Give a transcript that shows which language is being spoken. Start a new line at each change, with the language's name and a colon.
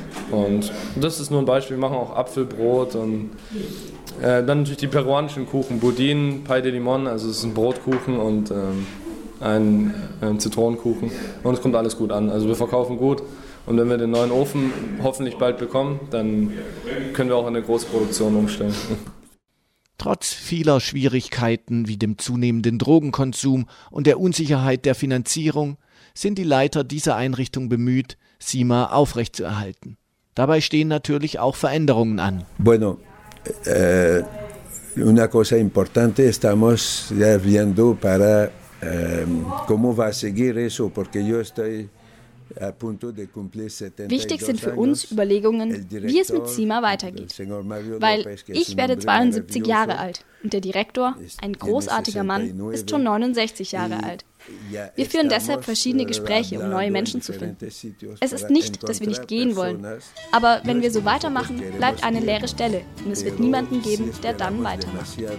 German: Und das ist nur ein Beispiel, wir machen auch Apfelbrot und dann natürlich die peruanischen Kuchen, Budin, Pay de Limon, also es ist ein Brotkuchen und ein Zitronenkuchen und es kommt alles gut an, also wir verkaufen gut und wenn wir den neuen Ofen hoffentlich bald bekommen, dann können wir auch eine große Produktion umstellen. Trotz vieler Schwierigkeiten wie dem zunehmenden Drogenkonsum und der Unsicherheit der Finanzierung sind die Leiter dieser Einrichtung bemüht, Sima aufrechtzuerhalten. Dabei stehen natürlich auch Veränderungen an.
Spanish: Bueno. Una cosa importante estamos ya viendo para cómo va a seguir eso porque yo estoy a punto de cumplir 72 años.
German: Wichtig sind für uns Überlegungen, wie es mit Sima weitergeht, weil ich werde 72 Jahre alt und der Direktor, ein großartiger Mann, ist schon 69 Jahre alt. Wir führen deshalb verschiedene Gespräche, um neue Menschen zu finden. Es ist nicht, dass wir nicht gehen wollen, aber wenn wir so weitermachen, bleibt eine leere Stelle und es wird niemanden geben, der dann weitermacht.